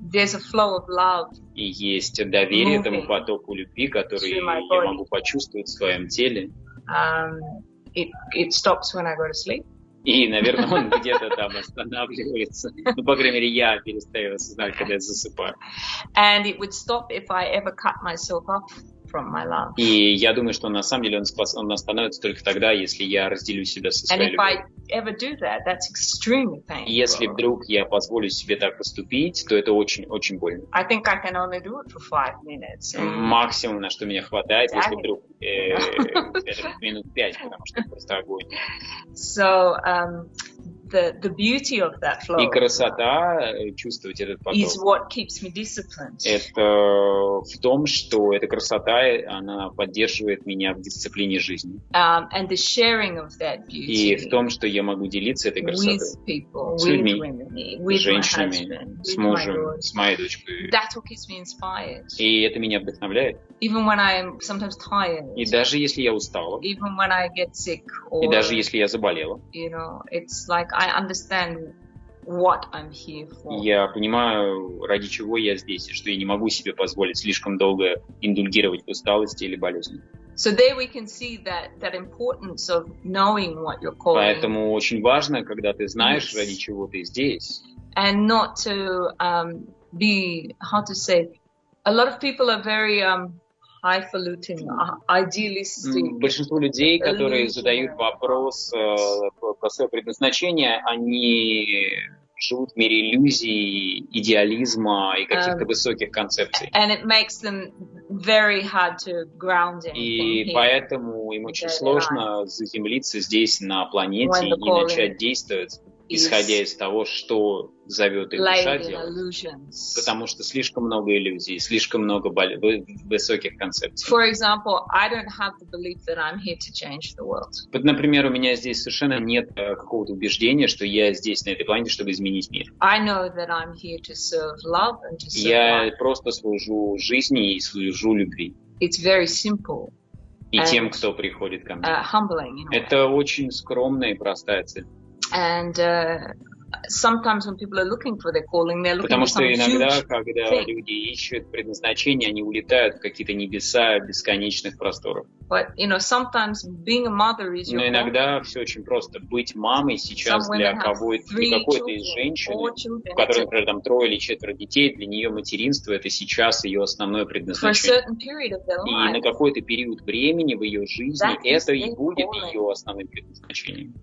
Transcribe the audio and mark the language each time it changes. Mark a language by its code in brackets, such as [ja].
[en] There's a flow of love. [ru] И есть доверие этому потоку любви, который я могу почувствовать в своем теле. [en] It stops when I go to sleep. [ru] И, наверное, он где-то там останавливается. Ну, по крайней мере, я перестаю осознавать, когда я засыпаю. [en] And it would stop if I ever cut myself off. From my love. [ru] И я думаю, что на самом деле он остановится только тогда, если я разделю себя со своей любовью. Если вдруг я позволю себе так поступить, то это очень-очень больно. [en] I think I can only do it for 5 minutes. [ru] Максимум, на что меня хватает, если вдруг это минут 5, потому что это просто огонь. [en] The beauty of that flow. [ru] И красота чувствовать этот поток. [en] Is what keeps me disciplined. [ru] Это в том, что эта красота, она поддерживает меня в дисциплине жизни. [en] And the sharing of that beauty. [ru] И в том, что я могу делиться этой красотой. [en] With people, [ru] с людьми, с женщинами, с мужем, с моей дочкой. [en] That's what keeps me inspired. [ru] И это меня вдохновляет. [en] Even when I am sometimes tired. [ru] И даже если я устала. [en] Even when I get sick. Or, [ru] и даже если я заболела. [en] You know, it's like I understand what I'm here for. [ru] Я понимаю, ради чего я здесь, и что я не могу себе позволить слишком долго индульгировать в усталости или болезни. [en] So there we can see that importance of knowing what you're calling. [ru] Поэтому очень важно, когда ты знаешь, ради чего ты здесь. [en] And not to be, how to say, a lot of people are very highfalutin, idealistic. [ru] Большинство людей, которые задают вопрос про свое предназначение, они живут в мире иллюзий, идеализма и каких-то высоких концепций. [en] And it makes them very hard to ground in. [ru] И поэтому им очень сложно заземлиться здесь на планете и начать действовать, исходя из того, что зовет их душа делать. Потому что слишком много иллюзий, слишком много высоких концепций. [en] For example, I don't have the belief that I'm here to change the world. [ru] Вот, например, у меня здесь совершенно нет какого-то убеждения, что я здесь на этой планете, чтобы изменить мир. [en] I know that I'm here to serve love and to serve [ru] Я просто служу жизни и служу любви. [en] It's very simple. [ru] И тем, кто приходит ко мне. [en] Humbling, [ru] это очень скромная и простая цель. [en] And Sometimes when people are looking for their calling, they're looking for something huge. [ru] Потому что иногда, когда люди ищут предназначение, они улетают в какие-то небеса бесконечных просторов. [en] But you know, sometimes being a mother is your. [ru] Но иногда все очень просто. Быть мамой сейчас для кого-то, для какой-то из женщин, у которой, например, там трое или четверо детей, для нее материнство это сейчас ее основное предназначение. И на какой-то период времени в ее жизни это и будет ее основным предназначением.